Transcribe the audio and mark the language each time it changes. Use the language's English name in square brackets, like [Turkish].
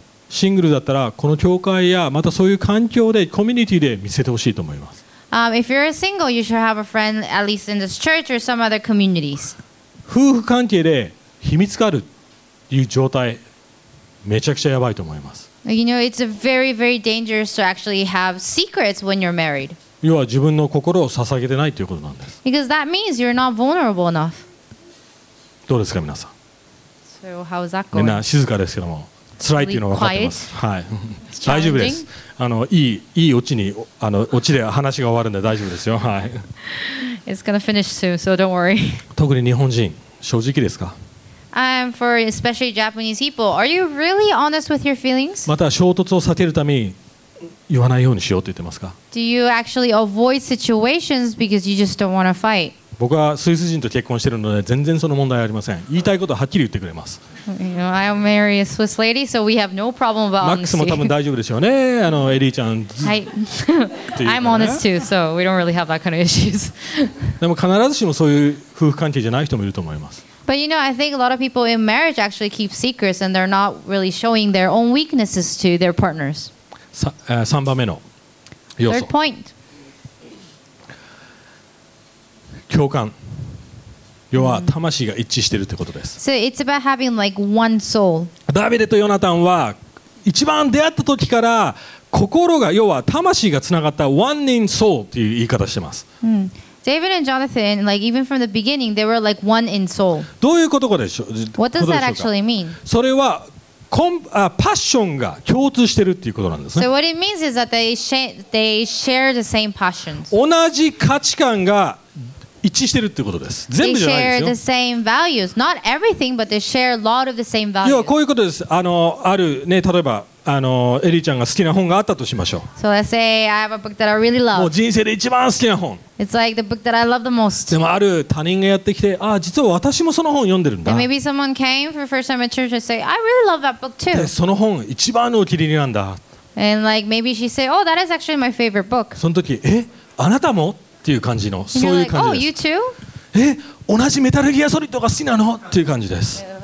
[Japanese] シングルだったらこの教会やまたそういう環境でコミュニティで見せてほしいと思います。 [English] If you're a single, you should have a friend at least in this church or some other communities. [Japanese] 夫婦関係で秘密があるという状態めちゃくちゃやばいと思います。 [English] You know, it's very, very dangerous to actually have secrets when you're married. [Japanese] 要は自分の心を捧げてないということなんです。 [English] Because that means you're not vulnerable enough. [Japanese] どうですか皆さん。 [English] So how's that going? [Japanese] みんな静かですけども。辛いっていうのは分かってます。はい、大丈夫です。あのいいオチにあのオチで話が終わるんで大丈夫ですよ。はい。 [English] It's gonna finish soon, so don't worry. [Japanese] 特に日本人、正直ですか [English] ？I'm for especially Japanese people. Are you really honest with your feelings? [Japanese] また衝突を避けるために言わないようにしようと言ってますか [English] ？Do you actually avoid situations because you just don't want to fight? [Japanese] 僕はスイス人と結婚してるので全然その問題ありません。言いたいことははっきり言ってくれます。 [English] You know, I'll marry a Swiss lady, so we have no problem about honesty. [Japanese] マックスも多分大丈夫でしょうね。あのエリーちゃん。はい。 [English] I'm honest too, so we don't really have that kind of issues. [Japanese] でも必ずしもそういう夫婦関係じゃない人もいると思います。 [English] But you know, I think a lot of people in marriage actually keep secrets and they're not really showing their own weaknesses to their partners. [Japanese] 3番目の要素。 [English] Third point. [Japanese] 共感、要は魂が一致しているということです。 [English] So it's about having like one soul. [Japanese] ダビデとヨナタンは一番出会った時から心が、要は魂がつながった [English] one in soul [Japanese] という言い方をしています。 [English] David and Jonathan, like even from the beginning, they were like one in soul. [Japanese] どういうことでしょう。 [English] What does that actually mean? [Japanese] それはパッションが共通しているということなんですね。 [English] So what it means is that they share the same passions. [Japanese] 同じ価値観が一致してるってことです。全部じゃないですよ。 [English] They share the same values, not everything, but they share a lot of the same values. [Japanese] 要はこういうことです。あの、あるね、例えばあのエリーちゃんが好きな本があったとしましょう。 [English] So let's say I have a book that I really love. [Japanese] もう人生で一番好きな本。 [English] It's like the book that I love the most. [Japanese] でもある他人がやってきて、ああ実は私もその本読んでるんだ。 [English] And maybe someone came for the first time at church and say, I really love that book too. [Japanese] その本一番のお気に入りなんだ。 [English] And like maybe she say, oh, that is actually my favorite book. [Japanese] その時、え、あなたも？っていう感じの、そういう感じです。 [English] Oh, you too? [Japanese] え、同じメタルギアソリッドが好きなの？っていう感じです。